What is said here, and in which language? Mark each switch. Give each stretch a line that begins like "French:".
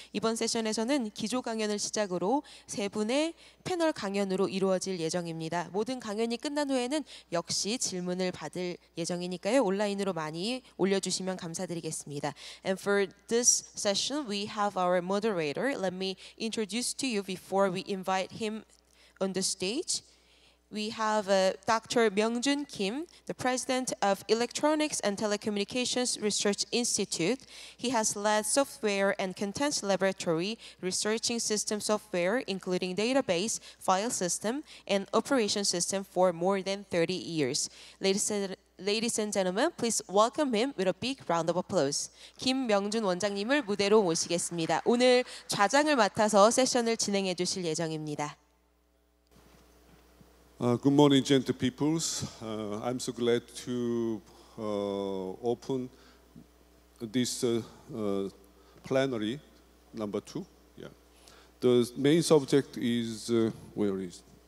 Korean: 이번 세션에서는 기조 강연을 시작으로 세 분의 패널 강연으로 이루어질 예정입니다. 모든 강연이 끝난 후에는 역시 질문을 받을 예정이니까요. 온라인으로 많이 올려주시면 감사드리겠습니다.
English: And for this session, we have our moderator. Let me introduce to you before we invite him on the stage. We have Dr. Myungjoon Kim, the President of Electronics and Telecommunications Research Institute. He has led software and content laboratory, researching system software, including database, file system, and operation system for more than 30 years. Ladies and gentlemen, please welcome him with a big round of applause.
Korean: 김명준 원장님을 무대로 모시겠습니다. 오늘 좌장을 맡아서 세션을 진행해 주실 예정입니다.
English: Good morning, gentle peoples. I'm so glad to open this plenary number two. Yeah, the main subject is where is?